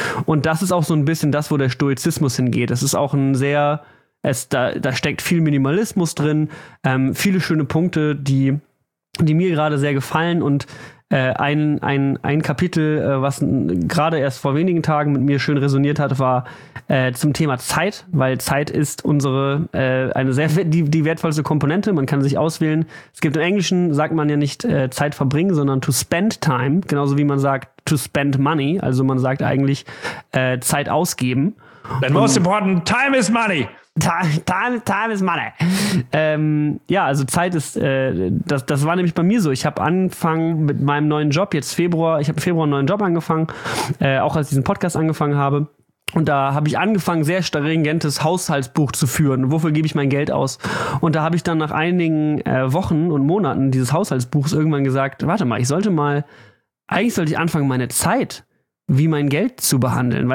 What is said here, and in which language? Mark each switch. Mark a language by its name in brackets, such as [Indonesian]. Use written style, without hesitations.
[German] Und das ist auch so ein bisschen das, wo der Stoizismus hingeht. Das ist auch ein sehr da steckt viel Minimalismus drin, viele schöne Punkte, die mir gerade sehr gefallen und ein Kapitel, was gerade erst vor wenigen Tagen mit mir schön resoniert hat, war zum Thema Zeit, weil Zeit ist die wertvollste Komponente. Man kann sich auswählen. Es gibt im Englischen, sagt man ja nicht Zeit verbringen, sondern [English] to spend time, [German] genauso wie man sagt [English] to spend money, [German] also man sagt eigentlich Zeit ausgeben. [English] The most important time is money. Time is money. [German] Ja, also Zeit ist, das war nämlich bei mir so. Ich habe angefangen mit meinem neuen Job, jetzt Februar. Ich habe im Februar einen neuen Job angefangen, auch als ich diesen Podcast angefangen habe. Und da habe ich angefangen, sehr stringentes Haushaltsbuch zu führen. Wofür gebe ich mein Geld aus? Und da habe ich dann nach einigen Wochen und Monaten dieses Haushaltsbuchs irgendwann gesagt, warte mal, eigentlich sollte ich anfangen, meine Zeit wie mein Geld zu behandeln.